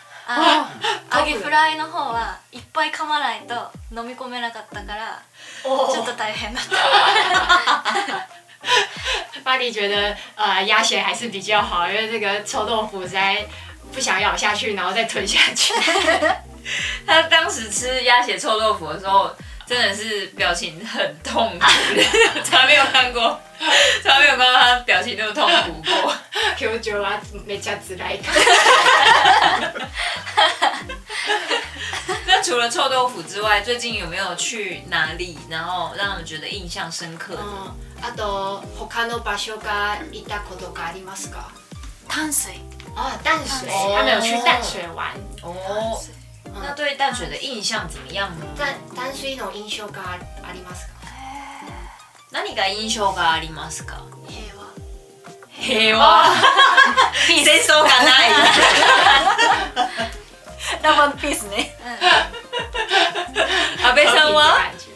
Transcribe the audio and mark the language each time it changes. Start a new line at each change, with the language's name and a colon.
Japanese: ああ、揚げフライの方はいっぱい噛まないと飲み込めなかったから、ちょっと大変だった。
Chinese: 巴黎觉得鸭血还是比较好，因为这个臭豆腐实在不想咬下去，然后再吞下去。他当时吃鸭血臭豆腐的时候。真的是表情很痛苦，从来没有看到他表情那么痛苦过。表情啊，没这样子来。那除了臭豆腐之外，最近有没有去哪里，然后让他们觉得印象深刻的？
Japanese: あと他の場所が行ったことがありますか？
Chinese: 淡水。哦，淡水。他们有去淡水玩。哦。那对淡水的印象怎么样呢？
Japanese: 淡水の印象がありますか？何が印象がありますか？平和。平和。戦争がない。ラブ＆ピースね。阿部さんは？